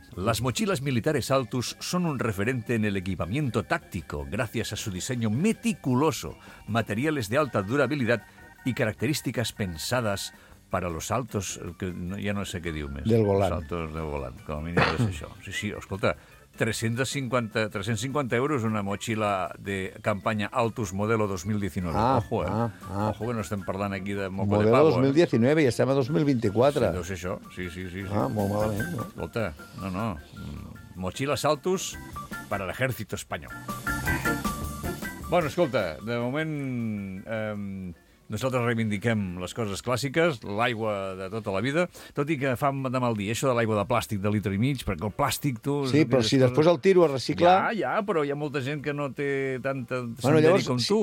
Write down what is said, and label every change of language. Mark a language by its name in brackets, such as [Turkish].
[Spanish] Las mochilas militares Altus son un referente en el equipamiento táctico gracias a su diseño meticuloso, materiales de alta durabilidad y características pensadas para los altos... Que no, ya no sé qué [Catalan] diu més. Del volant. Los altos del volant, com a mínim és això. Sí, sí, escolta, 350 euros una mochila de campanya Altus Modelo 2019. [Spanish] Ah, ojo, [Catalan] Ojo que no estem parlant aquí de moco [Spanish] Modelo de pavo. [Catalan] Modelo 2019, i estem a 2024. Sí, deu ser això. Sí, sí, sí. Ah, molt malament. Escolta, no, no. [Spanish] Mochilas Altus para el ejército español. [Catalan] Bueno, escolta, de moment... Nosaltres reivindiquem les coses clàssiques, l'aigua de tota la vida, tot i que fa de mal dir això de l'aigua de plàstic de litre i mig, perquè el plàstic... Tu, sí, però si coses... després el tiro a reciclar... Ja, ja, però hi ha molta gent que no té tanta senderi llavors, com tu.